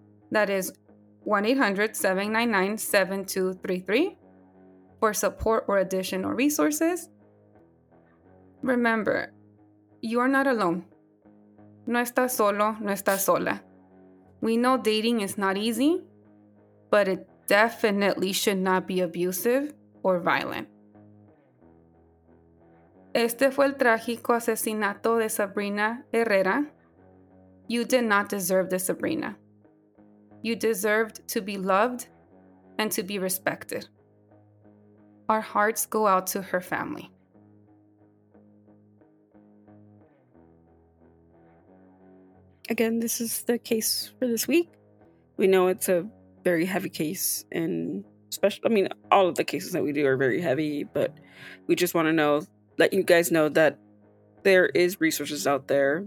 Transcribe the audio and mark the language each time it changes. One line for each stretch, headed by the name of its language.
English: That is 1-800-799-7233 for support or additional resources. Remember, you are not alone.
Spanish: No estás solo, no estás sola.
English: We know dating is not easy, but it definitely should not be abusive or violent.
Spanish: Este fue el trágico asesinato de Sabrina Herrera.
English: You did not deserve this, Sabrina. You deserved to be loved and to be respected. Our hearts go out to her family. Again, this is the case for this week. We know it's a very heavy case, and especially, I mean, all of the cases that we do are very heavy, but we just want to know, let you guys know that there is resources out there.